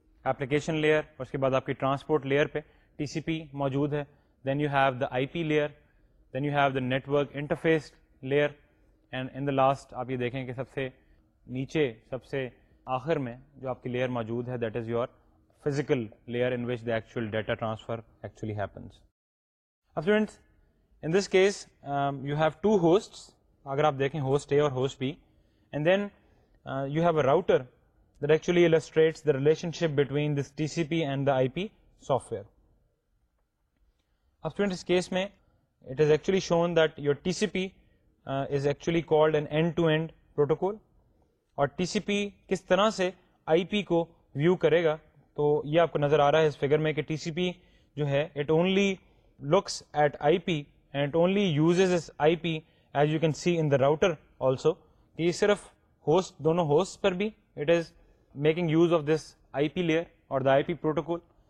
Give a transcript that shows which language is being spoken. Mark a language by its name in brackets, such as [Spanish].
[English] application layer, [Urdu] اس کے بعد آپ کی ٹرانسپورٹ لیئر پہ ٹی سی پی موجود ہے, [English] then you have the I P layer, then you have the network interface layer and in the last [Urdu] آپ یہ دیکھیں کہ سب سے نیچے سب سے آخر میں جو آپ کی لیئر موجود ہے [English] That is your physical layer in which the actual data transfer actually happens. Now students, in this case, you have two hosts, [Urdu] agar aap dekhen [English] host A or host B, and then you have a router that actually illustrates the relationship between this TCP and the IP software. Now students, in this case mein, it is actually shown that your TCP is actually called an end-to-end protocol, [Urdu] aur TCP kis tarah se IP ko view karega. تو یہ آپ کو نظر آ رہا ہے اس figure میں کہ T C پی جو ہے [English] it only looks at I P and it only uses [Urdu] اس I P [English] as you can see in the router also, [Urdu] کہ یہ صرف ہوسٹ دونوں ہوسٹ پر بھی [English] it is making use of this I P layer [Urdu] اور دا آئی P protocol,